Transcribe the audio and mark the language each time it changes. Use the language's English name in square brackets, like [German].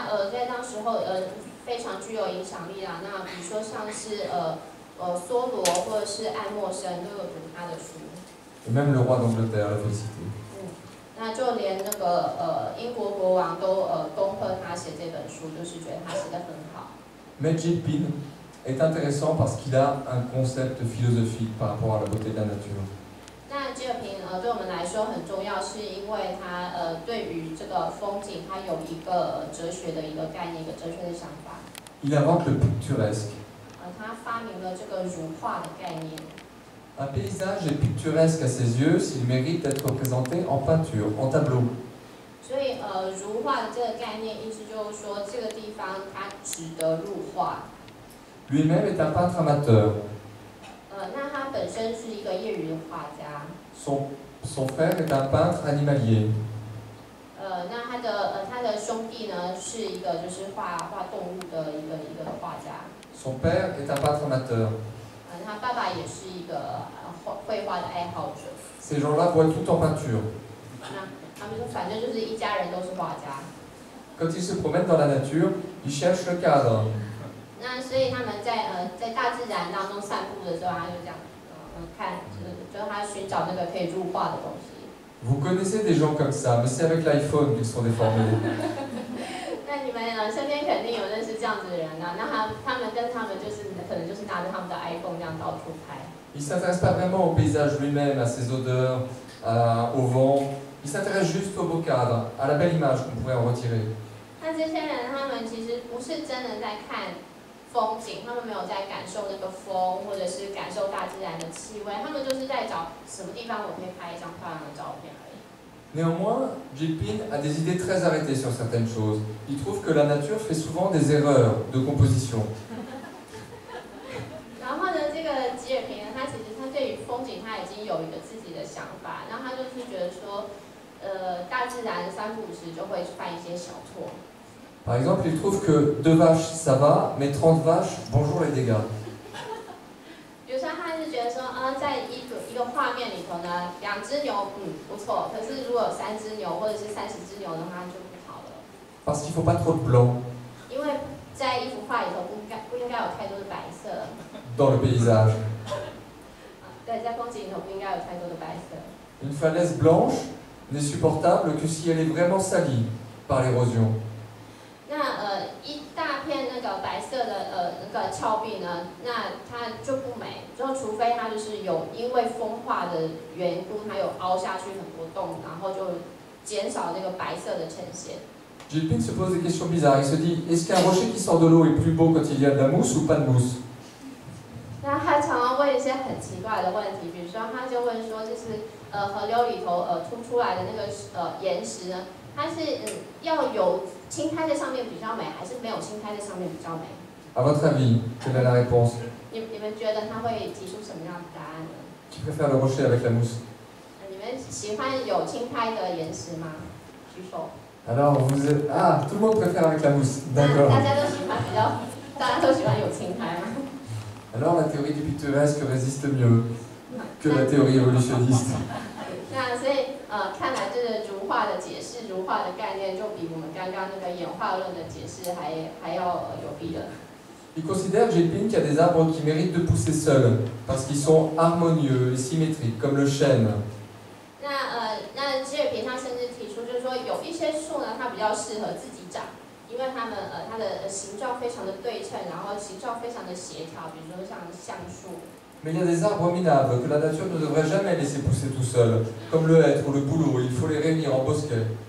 [Chinese] 在当时候非常具有影响力啦，那比如说像是梭罗或者是爱默生都有读他的书。 [French] Même le roi d'Angleterre l'a félicité。 [Chinese] 那就连那个英国国王都恭贺他写这本书，就是觉得他写得很好。 [French] Mais Jinping est intéressant parce qu'il a un concept philosophique par rapport à la beauté de la nature。 [Chinese] 那吉尔平对我们来说很重要，是因为他对于这个风景，他有一个哲学的一个概念，一个哲学的想法。 [French] Il invente le picturesque. [Chinese] 他发明了这个如画的概念。 [French] Un paysage est picturesque à ses yeux s'il mérite d'être représenté en peinture, en tableau. [Chinese] 所以如画的这个概念，意思就是说这个地方它值得入画。 [French] Lui-même est un peintre amateur. [Chinese] 那他本身是一个业余的画家。 [French] Son frère est un peintre animalier. [Chinese] 那他的兄弟呢是一个就是画动物的一个画家。 [French] Son père est un peintre amateur. [Chinese] 他爸爸也是一个绘画的爱好者。 [French] Ces gens-là voient tout en peinture. [Chinese] 他们反正就是一家人都是画家。 [French] Quand ils se promènent dans la nature, ils cherchent le cadre. [Chinese] 那所以他们在大自然当中散步的时候，他就这样，看，就他寻找那个可以入画的东西。 [French] Vous connaissez des gens comme ça, mais c'est avec l'iPhone qu'ils sont déformés. [Chinese] 那你们身边肯定有认识这样子的人啊，那他们跟他们就是可能就是拿着他们的 iPhone 这样到处拍。 [French] Ils s'intéressent pas vraiment au paysage lui-même, à ses odeurs, au vent. Ils s'intéressent juste au beau cadre, à la belle image qu'on pourrait en retirer. [Chinese] 那这些人他们其实不是真的在看。风景，他们没有在感受那个风，或者是感受大自然的气味，他们就是在找什么地方我可以拍一张漂亮的照片而已。 [French] Néanmoins, Gilpin a des idées très arrêtées sur certaines choses. Il trouve que la nature fait souvent des erreurs de composition. [Chinese] 然后呢，这个吉尔平他其实他对于风景他已经有一个自己的想法，那他就是觉得说，大自然三不五时就会犯一些小错。 [French] Par exemple, il trouve que deux vaches ça va, mais 30 vaches, bonjour les dégâts. [Chinese] 比如说，他是觉得说，在一个画面里头呢，两只牛，不错，可是如果有三只牛或者是三十只牛的话就不好了。 [French] Parce qu'il faut pas trop de blanc. [Chinese] 因为在一幅画里头不应该有太多的白色。 [French] Dans le paysage. [Chinese] 对，在风景里头不应该有太多的白色。 [French] Une falaise blanche n'est supportable que si elle est vraiment salie par l'érosion. [Chinese] 那一大片那个白色的那个峭壁呢，那它就不美，就除非它就是有因为风化的缘故，它有凹下去很多洞，然后就减少那个白色的呈现。 [French] Gilpin se pose des questions bizarres. Il se dit, est-ce qu'un rocher qui sort de l'eau est plus beau quand il y a de la mousse ou pas de mousse？ [Chinese] 那他常常问一些很奇怪的问题，比如说他就问说，就是河流里头凸出来的那个岩石呢，它是要有。青苔在上面比较美，还是没有青苔在上面比较美 [French] ？À votre avis, quelle est la réponse？ [Chinese] 你们觉得他会提出什么样的答案呢 [French] ？Tu préfères le rocher avec la mousse？ [Chinese] 你们喜欢有青苔的岩石吗？举手。 [French] Alors vous êtes tout le monde préfère avec la mousse, d'accord？ [Chinese] 大家都喜欢有青苔吗 [French] ？Alors la théorie du pittoresque résiste mieux que la théorie évolutionniste。 [Chinese] 那所以看来就是如画的解释，如画的概念就比我们刚刚那个演化论的解释还要有逼的。 [French] Il considère Gilpin qu'il y a des arbres qui méritent de pousser seuls parce qu'ils sont harmonieux et symétriques comme le chêne。 [Chinese] 那吉尔平他甚至提出就是说有一些树呢，它比较适合自己长，因为它的形状非常的对称，然后形状非常的协调，比如说像橡树。 [French] Mais il y a des arbres minables que la nature ne devrait jamais laisser pousser tout seul, comme le hêtre ou le bouleau. Il faut les réunir en bosquet.